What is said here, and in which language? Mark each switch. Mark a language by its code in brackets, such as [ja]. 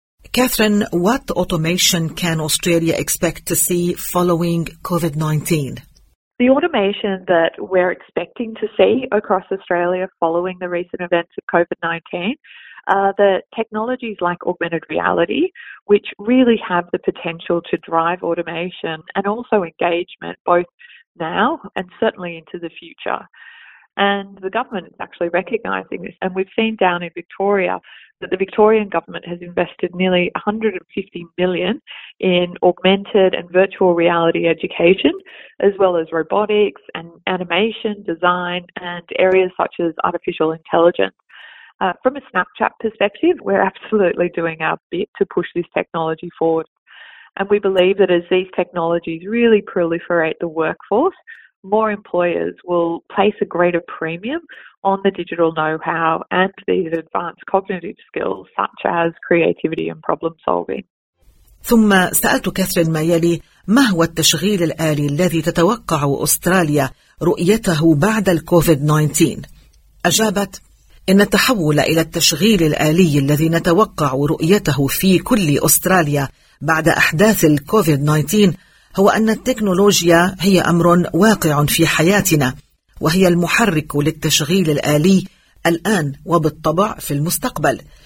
[en] Catherine, what automation can Australia expect to see following COVID-19? The automation that we're expecting to see across Australia following the recent events of COVID-19 are the technologies like augmented reality, which really have the potential to drive automation and also engagement both now and certainly into the future. And the government is actually recognising this. And we've seen down in Victoria that the Victorian government has invested nearly $150 million in augmented and virtual reality education, as well as robotics and animation, design, and areas such as artificial intelligence. From a Snapchat perspective, we're absolutely doing our bit to push this technology forward. And we believe that as these technologies really proliferate the workforce, more employers will place a greater premium on the digital know-how and these advanced cognitive skills, such as creativity and problem solving. [ar] ثم سألت كاثرين ما يلي: ما هو التشغيل الآلي الذي تتوقع أستراليا رؤيته بعد الكوفيد 19؟ أجابت: إن التحول إلى التشغيل الآلي الذي نتوقع رؤيته في كل أستراليا بعد أحداث الكوفيد 19 هو أن التكنولوجيا هي أمر واقع في حياتنا وهي المحرك للتشغيل الآلي الآن وبالطبع في المستقبل،